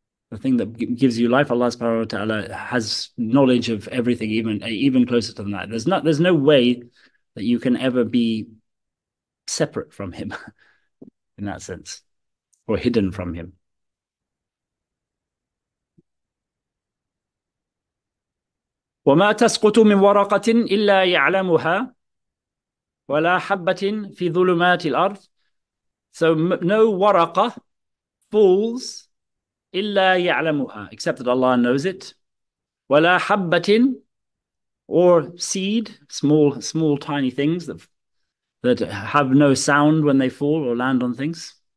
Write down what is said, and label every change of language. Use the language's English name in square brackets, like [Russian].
[English] The thing that gives you life, Allah subhanahu wa ta'ala has knowledge of everything, even closer than that. There's no way that you can ever be separate from him in that sense, or hidden from him. [Arabic] وما تسقط من ورقة إلا يعلمها ولا حبة في ظلمات الأرض. [English] So no ورقة falls [Arabic] إلا يعلمها, [English] except that Allah knows it. [Arabic] ولا حبة, [English] or seed, small tiny things that have no sound when they fall or land on things.